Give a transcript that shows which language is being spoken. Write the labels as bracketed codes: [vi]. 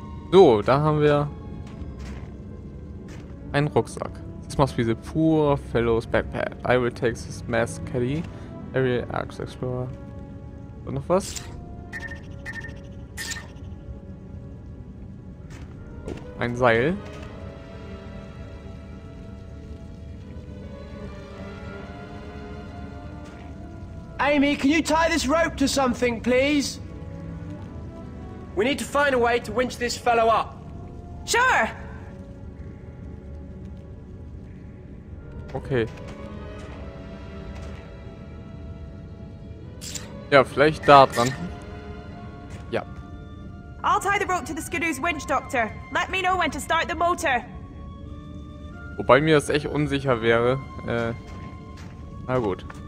[de] So, da haben wir einen Rucksack. [en] This must be the poor fellow's backpack. I will take this mass caddy. [de] Aerial Arcs Explorer. Und noch was? Oh, ein Seil. [en] Amy, can you tie this rope to something, please? We need to find a way to winch this fellow up. Sure! Okay. [de] Ja, vielleicht da dran. Ja. [en] I'll tie the rope to the Skidoo's winch, Doctor. Let me know when to start the motor. [de] Wobei mir das echt unsicher wäre. Na gut.